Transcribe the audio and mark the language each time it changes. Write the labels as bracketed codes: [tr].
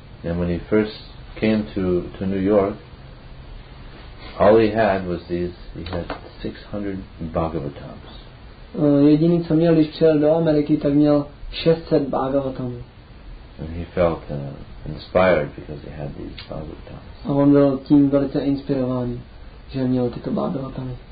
[en] And when he first came to New York, all he had was these, he had 600 Bhagavatams. [cs] Jediný, co měl, když přijel do Ameriky, tak měl 600 Bhagavatamů. [en] And he felt inspired because he had these Bhagavatams. [cs] A on byl tím velice inspirovaný, že měl tyto Bhagavatamy.